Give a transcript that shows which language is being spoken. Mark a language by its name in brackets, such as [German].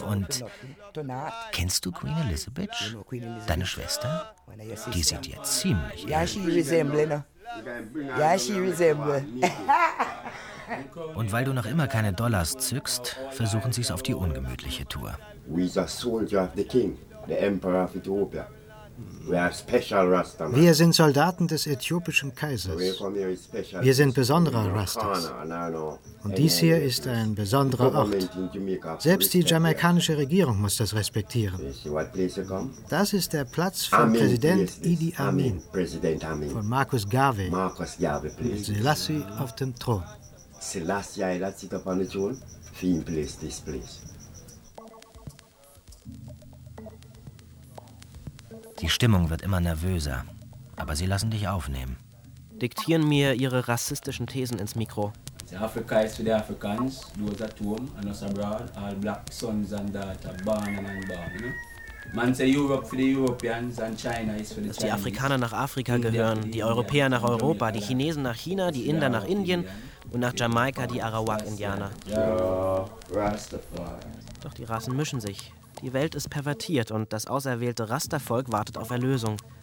[German] Und kennst du Queen Elizabeth, deine Schwester? Die sieht ihr ziemlich ähnlich. Ja, sie [English] resemble. [German] Und weil du noch immer keine Dollars zückst, versuchen sie es auf die ungemütliche Tour. [English] We're the soldier of the king, the emperor of Ethiopia. We are special Rasta. [German] Wir sind Soldaten des äthiopischen Kaisers. Wir sind besondere Rastas. Und dies hier ist ein besonderer Ort. Selbst die jamaikanische Regierung muss das respektieren. Das ist der Platz von Präsident Idi Amin, von Marcus Garvey, Selassie auf dem Thron. Selassie auf dem Thron. Vielen Dank, dieses Platz. Die Stimmung wird immer nervöser, aber sie lassen dich aufnehmen. Diktieren mir ihre rassistischen Thesen ins Mikro. [English] The Africa is for the Africans, those at home and us abroad, all black sons and daughters, born and unborn. You know? Man say Europe for the Europeans and China is for the Chinese. [German] Dass die Afrikaner nach Afrika gehören, die Europäer nach Europa, die Chinesen nach China, die Inder nach Indien und nach Jamaika die Arawak-Indianer. Doch die Rassen mischen sich. Die Welt ist pervertiert und das auserwählte Rastervolk wartet auf Erlösung.